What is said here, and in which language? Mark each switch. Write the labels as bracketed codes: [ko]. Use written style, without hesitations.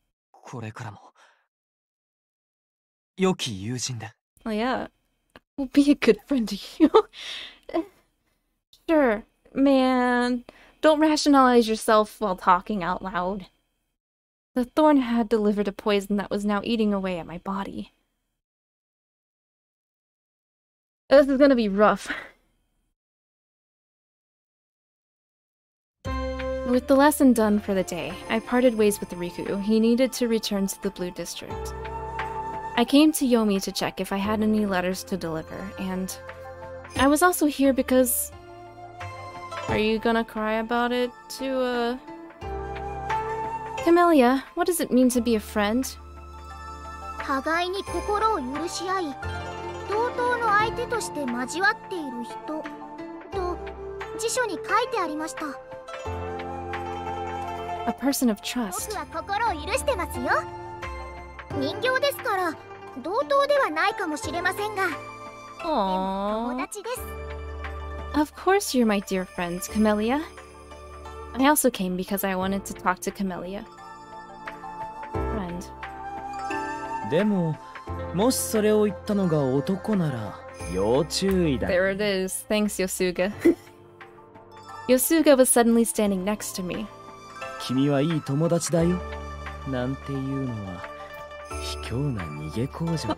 [ja] これからも良き友人で。 [en] Oh yeah, we'll be a good friend to you. Sure, man. Don't rationalize yourself while talking out loud. The thorn had delivered a poison that was now eating away at my body. This is gonna be rough. With the lesson done for the day, I parted ways with Riku. He needed to return to the Blue District. I came to Yomi to check if I had any letters to deliver, and I was also here because... Are you gonna cry about it to, Camellia, what does it mean to be a friend? [ja] 互いに心を許し合い、同等の相手として交わっている人、と辞書に書いてありました。 [en] A person of trust. [ja] 僕は心を許してますよ。人形ですから同等ではないかもしれませんが、でも友達です。 [en] Of course you're my dear friend, Camellia. I also came because I wanted to talk to Camellia. Friend. [ja] でも、もしそれを言ったのが男なら、要注意だ。 [en] There it is. Thanks, Yosuga. Yosuga was suddenly standing next to me. [ja] 君はいい友達だよ。なんていうのは卑怯な逃げ口上。